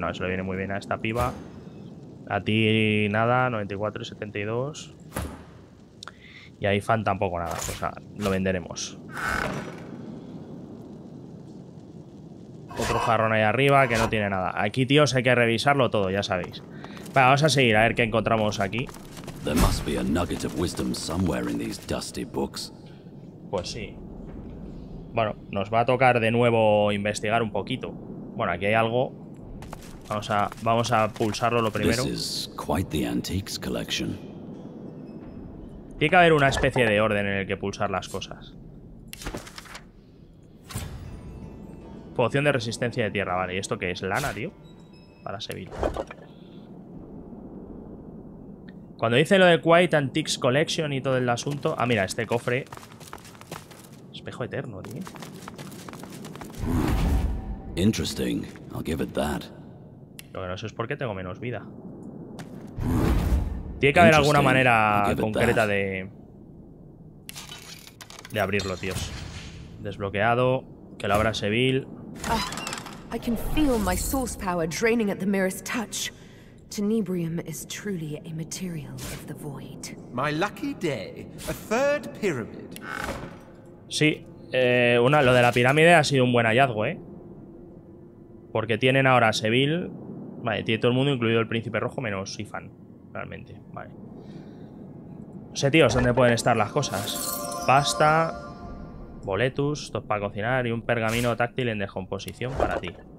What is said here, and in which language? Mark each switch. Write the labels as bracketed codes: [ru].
[es] No, eso le viene muy bien a esta piba. A ti nada, 94 y 72. Y a Ifan tampoco nada. O sea, lo venderemos. Otro jarrón ahí arriba que no tiene nada. Aquí, tíos, hay que revisarlo todo, ya sabéis. Vale, vamos a seguir a ver qué encontramos aquí. [en] There must be a nugget of wisdom somewhere in these dusty books. [es] Pues sí. Bueno, nos va a tocar de nuevo investigar un poquito. Bueno, aquí hay algo. Vamos a pulsarlo lo primero. [en] This is quite the antiques collection. [es] Tiene que haber una especie de orden en el que pulsar las cosas. Poción de resistencia de tierra, vale. ¿Y esto qué es? ¿Lana, tío? Para Seville. Cuando dice lo de [en] Quite Antiques Collection [es] y todo el asunto... Ah, mira, este cofre... Espejo eterno, tío. [en] Interesting. I'll give it that. [es] Lo que no sé es por qué tengo menos vida. Tiene que haber alguna manera concreta de abrirlo, tíos. Desbloqueado. Que lo abra Seville. [en] I can feel my source power draining at the mirror's touch. Tenebrium is truly a material of the void. My lucky day, a third pyramid. [es] Sí, lo de la pirámide ha sido un buen hallazgo, ¿eh? Porque tienen ahora a Seville. Vale, tiene todo el mundo, incluido el Príncipe Rojo, menos Ifan, realmente. Vale. No sé, tíos, ¿dónde pueden estar las cosas? Pasta, boletus, top para cocinar y un pergamino táctil en descomposición para ti.